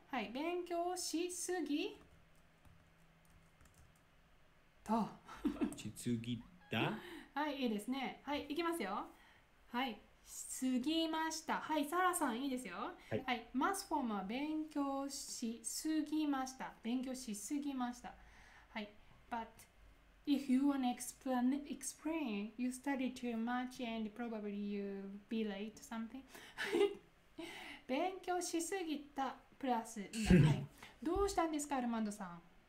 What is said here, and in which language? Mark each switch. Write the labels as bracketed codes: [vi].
[ja] はい、勉強しすぎと。しすぎた。はい、いいですね。はい、いきますよ。はい、すぎました。はい、サラさん、いいですよ。はい、はい、マスフォームは勉強しすぎました。勉強しすぎました。 [en] はい、But if you want to explain, you study too much and probably you be late something. [ja] 勉強しすぎたプラス、はい、どうしたんですか、アルマンドさん。